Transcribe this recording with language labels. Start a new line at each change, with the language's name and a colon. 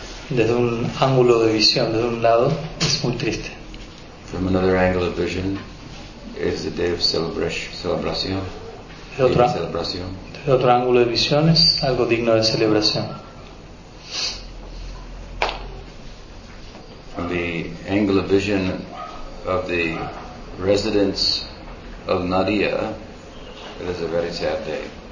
Spanish: Desde un ángulo de visión, desde un lado, es muy triste.
English: From another angle of vision, is the day of celebration.
Spanish: Desde otro ángulo de visión, es algo digno de celebración.
English: Angle of vision of the residents of Nadia, it is a very sad day.